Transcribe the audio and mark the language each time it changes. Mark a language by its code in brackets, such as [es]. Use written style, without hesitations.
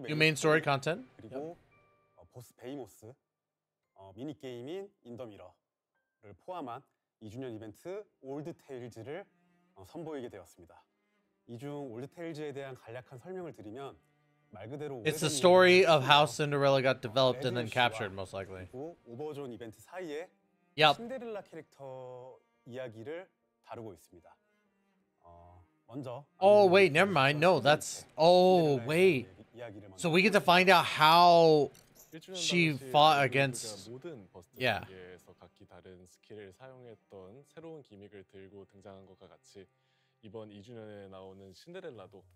[ko] 메인, 메인 스토리 컨텐 그리고 yep. 보스 베이모스 미니 게임인 인더미러를 포함한 2주년 이벤트 올드 테일즈를 선보이게 되었습니다. 이 중 올드 테일즈에 대한 간략한 설명을 드리면 말 그대로 [en] It's the story of how Cinderella got developed and then captured most likely. [ko] 오버존 이벤트 사이에 [en] yep. [ko] 신데렐라 캐릭터 이야기를 다루고 있습니다. [en] 어, wait, never mind. No, that's. Oh, wait. So we get to find out how she fought against. Yeah. [ko] 다른 스킬을 사용했던 새로운 기믹을 들고 등장한 것과 같이 이번 2주년에 나오는 신데렐라도.